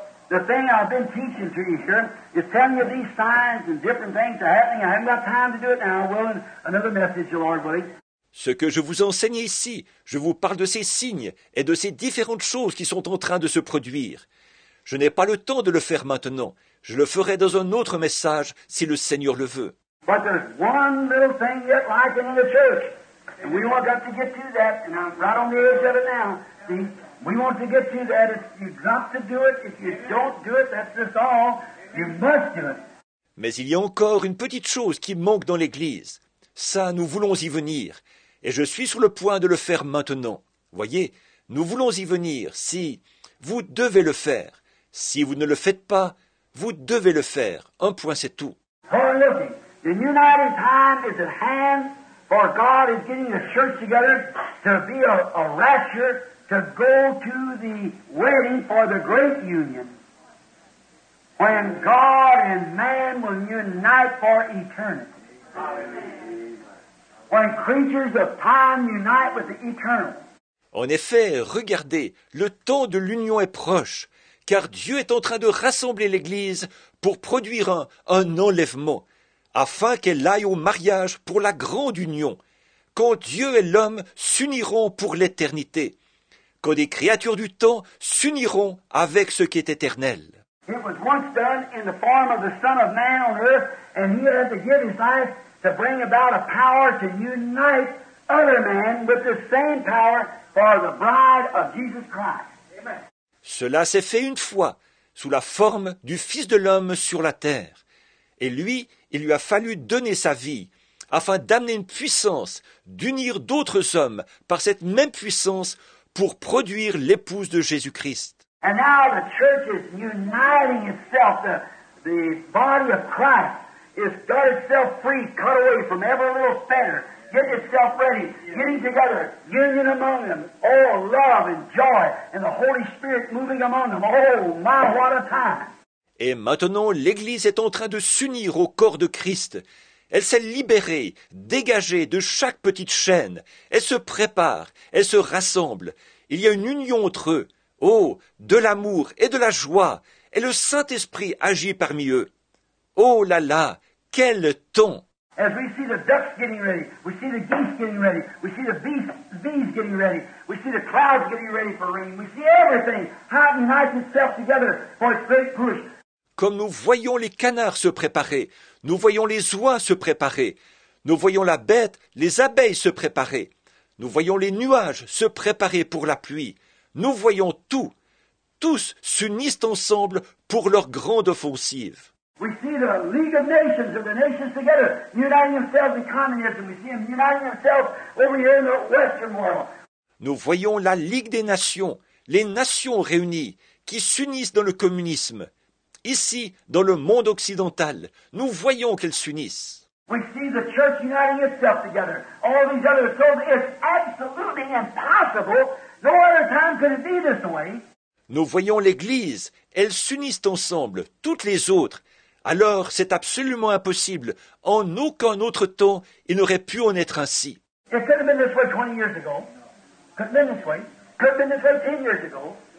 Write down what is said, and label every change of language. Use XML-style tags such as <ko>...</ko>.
<en>The thing I've been teaching to you, sir, is telling you these signs and different things are happening. I haven't got time to do it now. Well, another message, Lord willing.</en> <fr>Ce que je vous enseigne ici, je vous parle de ces signes et de ces différentes choses qui sont en train de se produire. Je n'ai pas le temps de le faire maintenant. Je le ferai dans un autre message si le Seigneur le veut.</fr> <en>But there's one little thing yet lacking in the church. And we want to get to that. And I'm right on the edge of it now. See, we want to get to that. If you drop to do it, if you don't do it, that's just all. You must do it.</en> <fr>Mais il y a encore une petite chose qui manque dans l'Église. Ça, nous voulons y venir. Et je suis sur le point de le faire maintenant. Voyez, nous voulons y venir. Si vous devez le faire, si vous ne le faites pas, vous devez le faire. Un point, c'est tout.</fr> <en>Oh, look, the uniting time is at hand, for God is getting the church together to be a rapture, to go to the wedding for the great union, when God and man will unite for eternity. Amen. When creatures of time unite with the eternal.</en> <fr>En effet, regardez, le temps de l'union est proche, car Dieu est en train de rassembler l'Église pour produire un enlèvement, afin qu'elle aille au mariage pour la grande union, quand Dieu et l'homme s'uniront pour l'éternité, quand des créatures du temps s'uniront avec ce qui est éternel.</fr> <en>It was once done in the form of the Son of Man on earth, and he had to give his life to bring about a power to unite other men with the same power for the bride of Jesus Christ. Amen.</en> <fr>Cela s'est fait une fois, sous la forme du Fils de l'homme sur la terre. Et lui, il lui a fallu donner sa vie, afin d'amener une puissance, d'unir d'autres hommes par cette même puissance pour produire l'épouse de Jésus-Christ.</fr> <en>And now the church is uniting itself, the body of Christ has got itself free, cut away from every little fetter. Get yourself ready, getting together, union among them, all love and joy, and the Holy Spirit moving among them. Oh my, what a time!</en> <fr>Et maintenant, l'Église est en train de s'unir au corps de Christ. Elle s'est libérée, dégagée de chaque petite chaîne. Elle se prépare, elle se rassemble. Il y a une union entre eux. Oh, de l'amour et de la joie. Et le Saint-Esprit agit parmi eux. Oh là là, quel temps!</fr> <en>As we see the ducks getting ready, we see the geese getting ready, we see the bees getting ready, we see the clouds getting ready for rain, we see everything, how it unites itself together for its great push.</en> <fr>Comme nous voyons les canards se préparer, nous voyons les oies se préparer, nous voyons la bête, les abeilles se préparer, nous voyons les nuages se préparer pour la pluie, nous voyons tout. Tous s'unissent ensemble pour leur grande offensive.</fr> <en>We see the League of Nations of the nations together, uniting themselves in communism. We see them uniting themselves over here in the Western world.</en> <fr>Nous voyons la Ligue des Nations, les nations réunies, qui s'unissent dans le communisme. Ici, dans le monde occidental, nous voyons qu'elles s'unissent.</fr> <en>We see the church uniting itself together. All these other souls, it's absolutely impossible. No other time could it be this way.</en> <fr>Nous voyons l'Église, elles s'unissent ensemble, toutes les autres. Alors, c'est absolument impossible. En aucun autre temps, il n'aurait pu en être ainsi.</fr> <en>It could have been this way 20 years ago. Could have been this way. Could have been this way 10 years ago.</en>